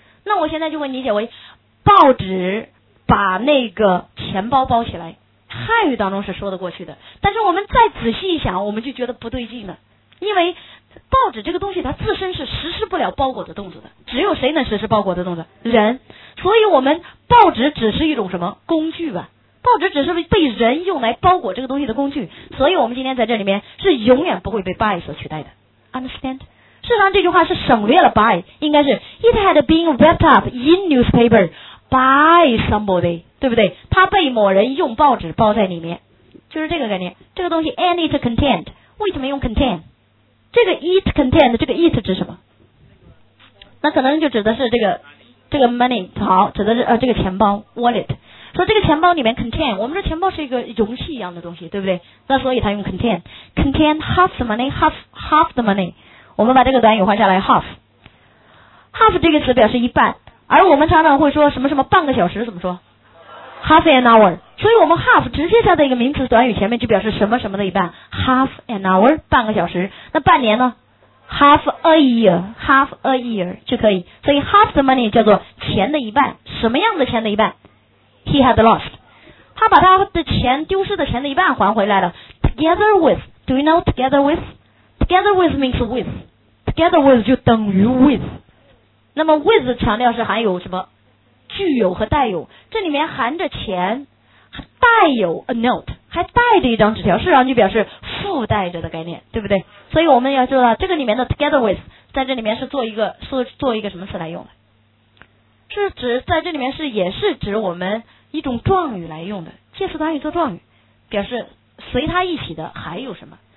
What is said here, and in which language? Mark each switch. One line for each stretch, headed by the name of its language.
Chinese: 那我现在就会理解为报纸把那个钱包包起来，汉语当中是说得过去的，但是我们再仔细一想我们就觉得不对劲了，因为报纸这个东西它自身是实施不了包裹的动作的，只有谁能实施包裹的动作？人。所以我们报纸只是一种什么工具吧，报纸只是被人用来包裹这个东西的工具，所以我们今天在这里面是永远不会被 by 所取代的。
English: Understand？
Chinese: 事实上这句话是省略了 by， 应该是 It had been wrapped up in newspaper by somebody，对不对？它被某人用报纸包在里面，就是这个概念。这个东西 and it contained，为什么用 contain？ 这个 it contained，这个 it 指什么？那可能就指的是这个 money， 好，指的是这个钱包 wallet。说这个钱包里面 contain， 我们说钱包是一个容器一样的东西，对不对？那所以它用 contain， contain half the money， half the money。我们把这个短语换下来 half， half 这个词表示一半，而我们常常会说什么什么半个小时怎么说？
English: half an hour。
Chinese: 所以我们 half 直接下的一个名词短语前面就表示什么什么的一半， half an hour 半个小时。那半年呢？
English: half a year， half a year 就可以。
Chinese: 所以 half the money 叫做钱的一半。什么样的钱的一半？ he had lost，他把他的钱丢失的钱的一半还回来了。
English: together with， do you know together with？ together with means with， together with 就等于 with。
Chinese: 那么 with 强调是含有什么？具有和带有，这里面含着钱，带有 a note，还带着一张纸条，事实上就表示附带着的概念，对不对？所以我们要知道这个里面的 together with 在这里面是做一个什么词来用的，是指在这里面是也是指我们一种状语来用的，介词短语做状语，表示随它一起的还有什么。